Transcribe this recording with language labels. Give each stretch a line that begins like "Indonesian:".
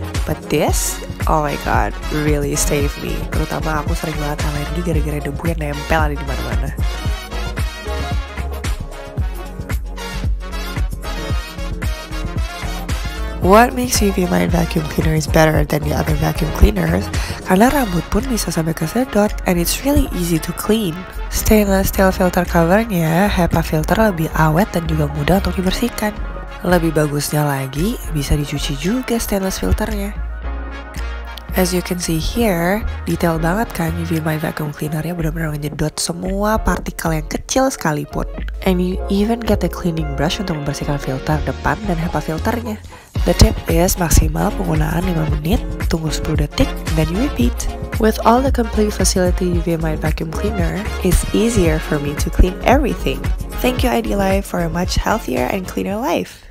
English: But this, oh my god, really save me.
Indonesian: Terutama aku sering banget alergi gara-gara debu yang nempel ada di mana-mana.
English: What makes UV Mite vacuum cleaner is better than the other vacuum cleaners?
Indonesian: Karena rambut pun bisa sampai kesedot
English: and it's really easy to clean.
Indonesian: Stainless steel filter covernya, HEPA filter lebih awet dan juga mudah untuk dibersihkan. Lebih bagusnya lagi, bisa dicuci juga stainless filternya.
English: As you can see here,
Indonesian: detail banget kan UV Mite vacuum cleanernya benar-benar menyedot semua partikel yang kecil sekalipun.
English: And you even get a cleaning brush
Indonesian: untuk membersihkan filter depan dan HEPA filternya.
English: The tip is
Indonesian: maksimal penggunaan 5 menit, tunggu 10 detik,
English: then you repeat. With all the complete facility UV Mite vacuum cleaner, it's easier for me to clean everything. Thank you IDEALIFE for a much healthier and cleaner life.